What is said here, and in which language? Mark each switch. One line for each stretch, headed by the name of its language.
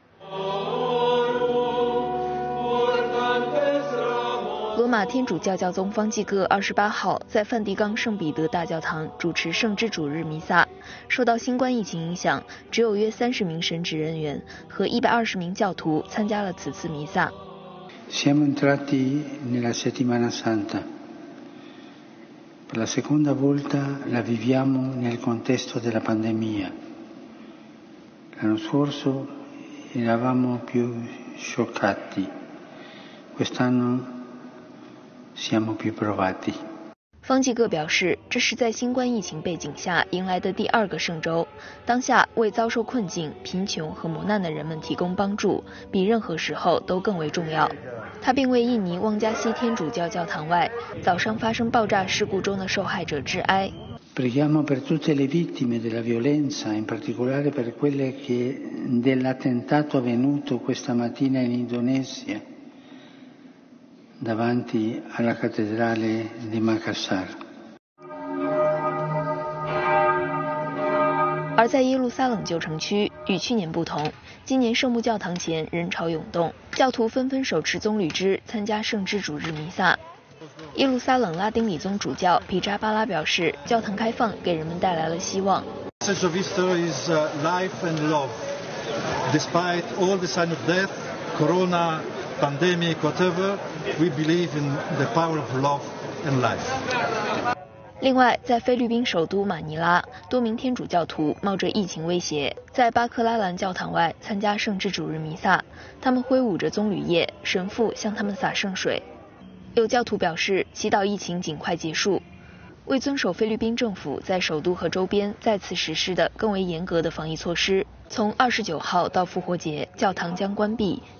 Chinese: 罗马天主教教宗方济各28号在梵蒂冈圣彼得大教堂主持圣之主日弥撒。受到新冠疫情影响，只有约30名神职人员和120名教徒参加了此次弥撒。
Italian: Siamo entrati nella settimana santa. Per la seconda volta la viviamo nel contesto della pandemia. L'anno scorso eravamo più scioccati. Quest'anno siamo più provati。
Chinese: 方济各表示，这是在新冠疫情背景下迎来的第二个圣周，当下为遭受困境、贫穷和磨难的人们提供帮助，比任何时候都更为重要。他并为印尼旺加西天主教教堂外早上发生爆炸事故中的受害者致哀。
Italian: Preghiamo per tutte le vittime della violenza, in particolare per quelle che dell'attentato avvenuto questa mattina in Indonesia. Davanti alla cattedrale di Makassar。
Chinese: 而在耶路撒冷旧城区，与去年不同，今年圣母教堂前人潮涌动，教徒纷纷手持棕榈枝参加圣之主日弥撒。耶路撒冷拉丁礼宗主教皮扎巴拉表示，教堂开放给人们带来了希望。
English: The message of Easter is life and love, despite all the signs of death, Corona. Pandemic, whatever, we believe in the power of love and life.
Chinese: 另外，在菲律宾首都马尼拉，多名天主教徒冒着疫情威胁，在巴克拉兰教堂外参加圣之主日弥撒。他们挥舞着棕榈叶，神父向他们洒圣水。有教徒表示，祈祷疫情尽快结束。为遵守菲律宾政府在首都和周边再次实施的更为严格的防疫措施，从29号到复活节，教堂将关闭。